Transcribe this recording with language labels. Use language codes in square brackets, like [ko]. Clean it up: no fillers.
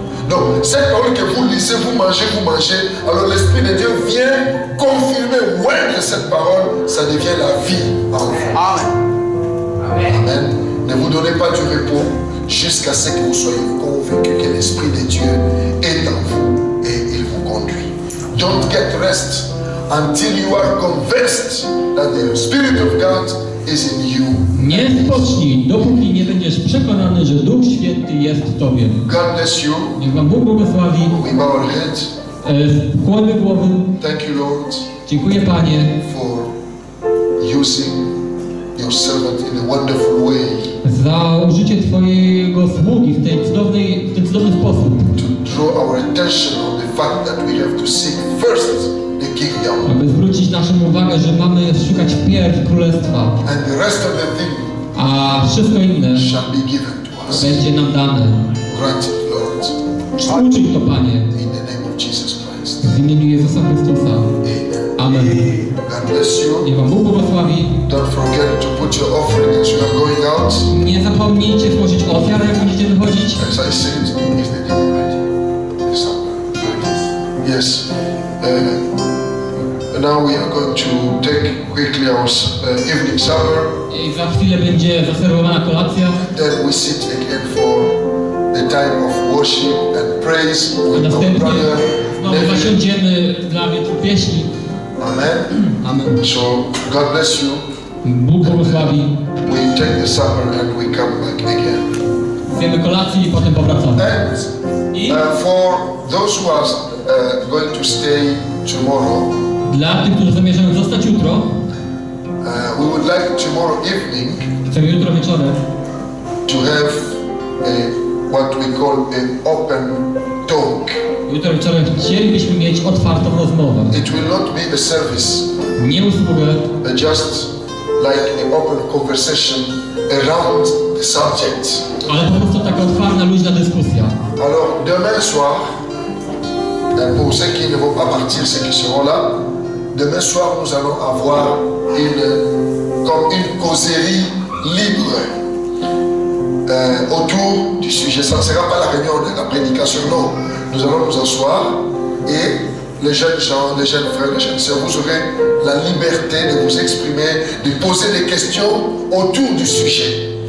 [fr] Donc, cette parole que vous lisez, vous mangez, alors l'Esprit de Dieu vient confirmer où est que cette parole, ça devient la vie en vous. Amen. Amen. Ne vous donnez pas du repos jusqu'à ce que vous soyez convaincus que l'Esprit de Dieu est en vous et il vous conduit. [en] Don't get rest until you are convinced that the Spirit of God is in you. [pl] Nie spocznij, dopóki nie będziesz przekonany, że Duch Święty jest w tobie. [en] God bless you. [pl] Niech Wam Bóg błogosławi. [en] We bow our heads. [pl] Kłonmy głowy. [en] Thank you, Lord. [pl] Dziękuję, Panie, [en] for using your servant in a wonderful way. [pl] Za użycie Twojego sługi w tej cudownej, w ten cudowny sposób. [en] To draw our attention on the fact that we have to seek first the kingdom. [pl] Aby zwrócić naszą uwagę, że mamy szukać pierw królestwa. [en] And the rest of the thing, [pl] a wszystko inne [en] shall be given to us. [pl] Będzie nam dane. [en] Granted, Lord. [pl] Uczyń to, Panie. [en] In the name of Jesus Christ. [pl] W imieniu Jezusa Chrystusa. [en] Amen. God bless you. [pl] Niech Wam Bóg błogosławi. [en] Don't forget to put your offering as you are going out. [pl] Nie zapomnijcie włożyć ofiary, jak będziecie wychodzić. [en] As I said, is the day ready? Yes. now we are going to take quickly our evening supper. [pl] I za chwilę będzie zaserwowana kolacja. [en] Then we sit again for the time of worship and praise with our brother. [pl] No, zasiądziemy dla wieczu pieśni. Amen. Amen. [en] So God bless you. [pl] Bóg błogosławi. [en] We take the supper and we come back again. [pl] Zjemy kolację i potem powracamy. [en] And for those who are going to stay tomorrow. [pl] Dla tych, którzy zamierzają zostać jutro. [en] We would like tomorrow evening. [pl] Chcemy jutro wieczorem. [en] To have what we call an open talk. [pl] Jutro wieczorem chcielibyśmy mieć otwartą rozmowę. [en] It will not be a service. [pl] Nie usługę. [en] Just like an open conversation around the subject. [pl] Ale po prostu taka otwarta, luźna dyskusja. [fr] Alors, demain soir, pour ceux qui ne vont pas partir, ceux qui seront là, demain soir nous allons avoir une, comme une causerie libre autour du sujet. Ça ne sera pas la réunion de la prédication, non. Nous allons nous asseoir et les jeunes gens, les jeunes frères, les jeunes sœurs, vous aurez la liberté de vous exprimer, de poser des questions autour du sujet.